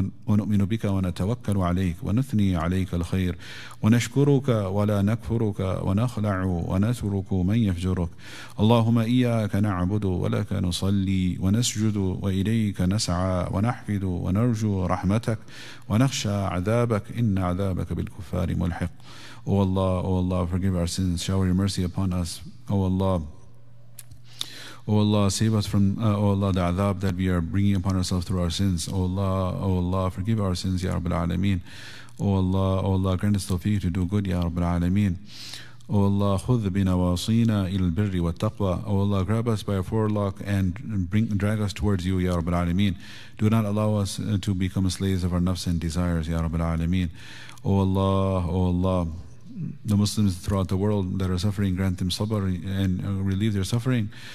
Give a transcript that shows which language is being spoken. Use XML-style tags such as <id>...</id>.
<ar>ونؤمن بك ونتوكل عليك ونثني عليك الخير ونشكرك ولا نكفرك ونخلع ونترك من يفجرك اللهم إياك نعبد ولك نصلي ونسجد وإليك نسعى ونحفد ونرجو رحمتك ونخشى عذابك إن عذابك بالكفار ملحق</ar> <en>O Allah, forgive our sins, shower your mercy upon us. O Allah, save us from, O Allah, the azab that we are bringing upon ourselves through our sins. O Allah, forgive our sins, Ya Rabbil Alameen. O Allah, grant us tawfiq to do good, Ya Rabbil Alameen. O Allah,</en> <ar>خذ بنا واصينا إلى البر والتقوى.</ar> <en>O Allah, grab us by a forelock and bring, drag us towards you, Ya Rabbil Alameen. Do not allow us to become slaves of our nafs and desires, Ya Rabbil Alameen. O Allah, O Allah, the Muslims throughout the world that are suffering, grant them sabr and relieve their suffering.</en>